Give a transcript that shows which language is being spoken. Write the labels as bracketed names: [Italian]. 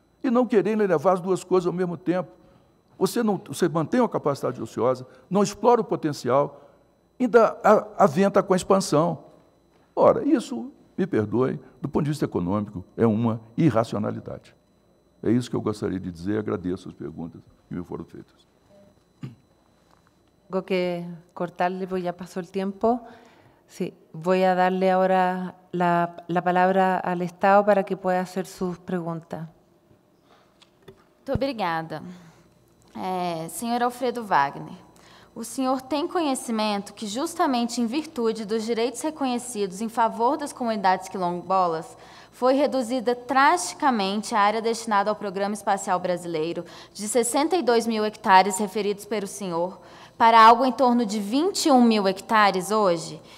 [Portuguese] E não querendo elevar as duas coisas ao mesmo tempo. Você mantém a capacidade ociosa, não explora o potencial, ainda aventa com a expansão. Ora, isso, me perdoe, do ponto de vista econômico, é uma irracionalidade. É isso que eu gostaria de dizer, agradeço as perguntas que me foram feitas. [Spanish] Tengo que cortarle, porque ya pasó el tiempo. Sí, voy a darle ahora la palabra al Estado para que pueda hacer sus preguntas. Muchas gracias. [Portuguese] Señor Alfredo Wagner, o senhor tem conhecimento que, justamente em virtude dos direitos reconhecidos em favor das comunidades quilombolas, foi reduzida drasticamente a área destinada ao Programa Espacial Brasileiro, de 62 mil hectares referidos pelo senhor, para algo em torno de 21 mil hectares hoje?